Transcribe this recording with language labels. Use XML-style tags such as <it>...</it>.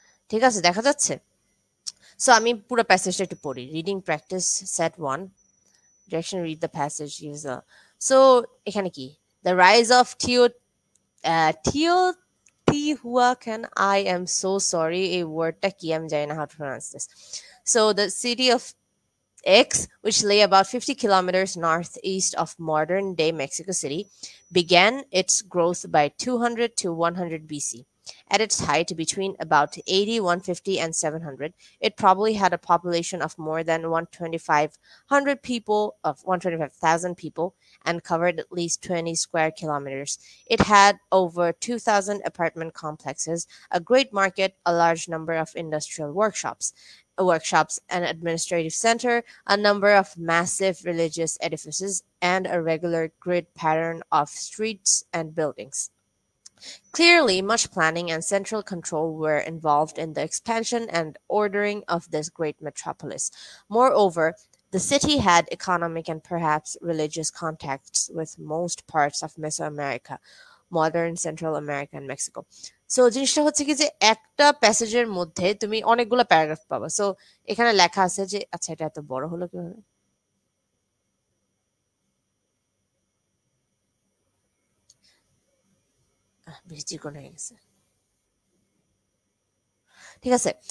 <bn>ঠিক আছে, দেখা যাচ্ছে? সো আমি পুরো প্যাসেজটা একটু পড়ি।</bn> <en>Reading practice set one, direction read the passage use. So এখানে কি the rise of Teotihuacan, I am so sorry</en> <bn>এই ওয়ার্ডটা কি আমি জানি না</bn> <en>How to pronounce this. So the city of X, which lay about 50 kilometers northeast of modern-day Mexico City, began its growth by 200 to 100 BC. At its height, between about 80, 150, and 700, it probably had a population of more than 1,2500 people, of 125,000 people, and covered at least 20 square kilometers. It had over 2,000 apartment complexes, a great market, a large number of industrial workshops, an administrative center, a number of massive religious edifices, and a regular grid pattern of streets and buildings. Clearly, much planning and central control were involved in the expansion and ordering of this great metropolis. Moreover, the city had economic and perhaps religious contacts with most parts of Mesoamerica, modern Central America and Mexico.</en> <bn>So জিনিসটা হচ্ছে কি যে একটা প্যাসেজের মধ্যে তুমি অনেকগুলো paragraph পাবা। So এখানে লেখা আছে যে আচ্ছা এটা এত বড় হলো কিভাবে, ঠিক আছে?</bn>